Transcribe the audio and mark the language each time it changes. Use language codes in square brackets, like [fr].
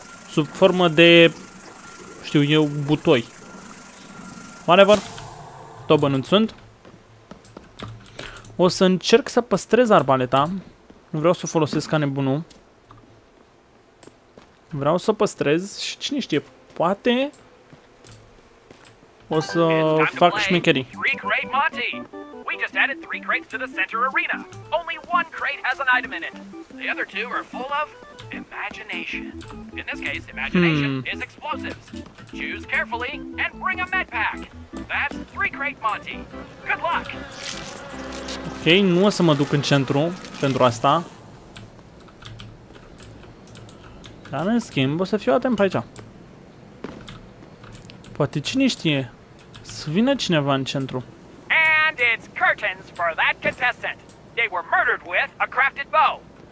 [ro] Sub formă de, știu eu, butoi. Whatever. Tot bănuți sunt. O să încerc să păstrez arbaleta. Nu vreau să o folosesc ca nebunul. Vreau să o păstrez și cine știe, poate o să fac șmecherii. [en] Three crate Monty. We just added three crates to the center arena. Only one crate has an item in it. The other two are full of imagination. In this case, imagination is explosives. Choose carefully and bring a med pack. That's three crate Monty. Good luck. [ro] Ok, nu o să mă duc în centru pentru asta. Dar în schimb, o să fiu atent pe aici. Poate cine știe să vină cineva în centru. [en] And it's curtains for that contestant. They were murdered with a crafted bow.